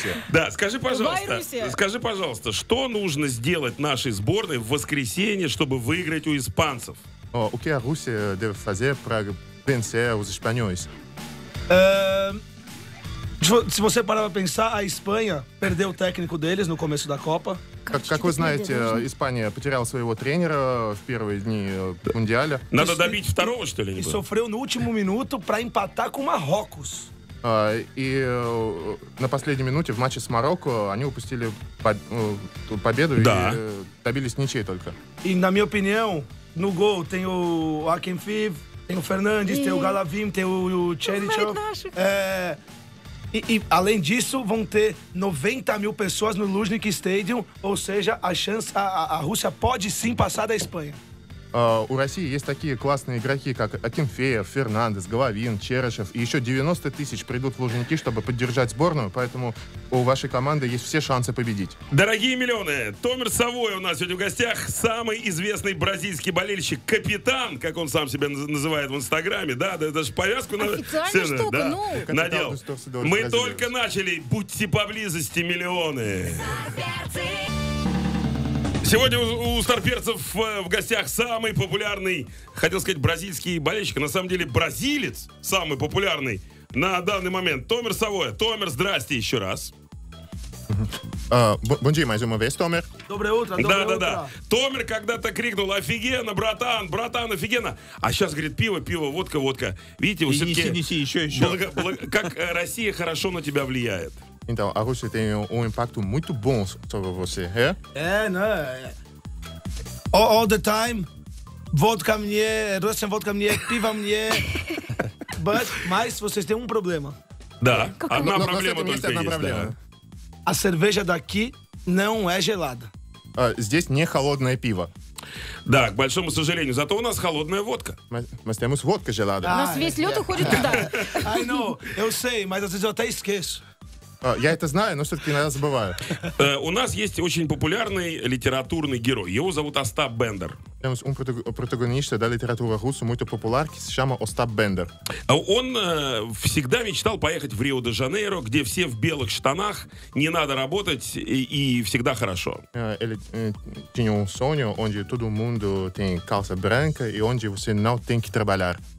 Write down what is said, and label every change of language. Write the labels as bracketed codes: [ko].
[ru] Да, скажи, пожалуйста, что нужно сделать нашей сборной в воскресенье, чтобы выиграть у испанцев? [pt] O que a Rússia deve fazer para vencer os espanhóis? Se você parar para pensar, a Espanha perdeu o técnico deles no começo da Copa. [ru] Как вы знаете, Испания потеряла своего тренера в первые дни Мундиаля. Надо добить второго, что ли? И [pt] sofreu no último minuto para empatar com Marrocos. [ru] И на последней минуте в матче с Марокко они упустили победу да. И добились ничьей только. И, на мою [pt] opinião, no gol tem o Akinfeev, tem o Fernandes, tem o Galavim, tem o Cherichov. E além disso, vão ter 90 mil pessoas no Luzhniki Stadium, ou seja, a chance, a Rússia pode sim passar da Espanha. [ru] у России есть такие классные игроки, как Акинфеев, Фернандес, Головин, Черышев. И еще 90 тысяч придут в Лужники, чтобы поддержать сборную. Поэтому у вашей команды есть все шансы победить. Дорогие миллионы, Томер Савой у нас сегодня в гостях. Самый известный бразильский болельщик. Капитан, как он сам себя называет в Инстаграме. Да, да, даже повязку надо... Официальная штука, да, ну... Надел. Мы только начали. Будьте поблизости, миллионы. Сегодня у старперцев в гостях самый популярный, хотел сказать, бразильский болельщик. На самом деле, бразилец самый популярный на данный момент. Томер Савоя. Томер, здрасте еще раз. [pt] Бонжи, mais uma vez, Томер. [ru] Доброе утро, доброе утро. Да-да-да. Томер когда-то крикнул, офигенно, братан, братан, офигенно. А сейчас, говорит, пиво, пиво, водка, водка. Видите, вот все-таки... Неси, еще, еще. Как Россия хорошо на тебя влияет. [pt] Então, a Rússia tem um impacto muito bom sobre você, é? É, né? [en] All the time, vodka [ru] мне, [en] Russian vodka [ru] мне, пиво мне. [pt] Mas vocês têm um problema. [ru] Да, одна проблема только есть, да. [pt] A cerveja daqui não é gelada. [ru] Здесь не холодное пиво. Да, к большому сожалению. Зато у нас холодная водка. Мы стоим с водкой желадой. У нас весь лед уходит туда. [en] I know, [pt] eu sei, mas às vezes eu até esqueço. [ru] Я это знаю, но все-таки иногда забываю. У нас есть очень популярный литературный герой. Его зовут Остап Бендер. [pt] Temos um protagonista da literatura russa muito popular, que se chama Остап Бендер. [ru] Он всегда мечтал поехать в Рио-де-Жанейро, где все в белых штанах, не надо работать и всегда хорошо. [pt] Ele tinha um sonho, onde todo mundo tem calça branca e onde você não tem que trabalhar.